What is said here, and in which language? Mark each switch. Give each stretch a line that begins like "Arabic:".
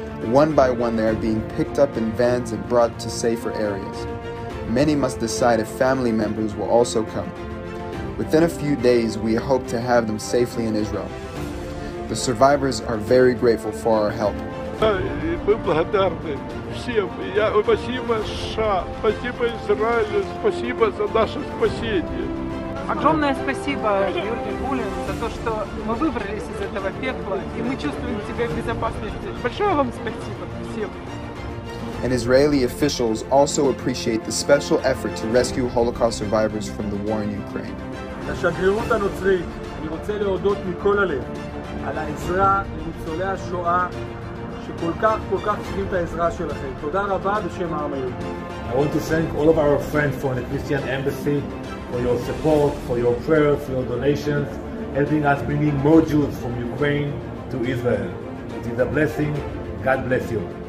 English: One by one, they are being picked up in vans and brought to safer areas. Many must decide if family members will also come. Within a few days, we hope to have them safely in Israel. The survivors are very grateful for our help.
Russian: Мы благодарны всем. Я спасибо США, спасибо Израилю, спасибо за наше спасение. Огромное спасибо, Юрген Булин, за то, что мы выбрались из этого пекла, и мы чувствуем себя в безопасности. Большое вам спасибо всем.
English: And Israeli officials also appreciate the special effort to rescue Holocaust survivors from the war in Ukraine.
Hebrew: השגרירות הנוצרית, אני רוצה להודות מכל הלב על העזרה לניצולי השואה.
English: I want to thank all of our friends from the Christian Embassy for your support, for your prayers, for your donations, helping us bringing more Jews from Ukraine to Israel. It is a blessing. God bless you.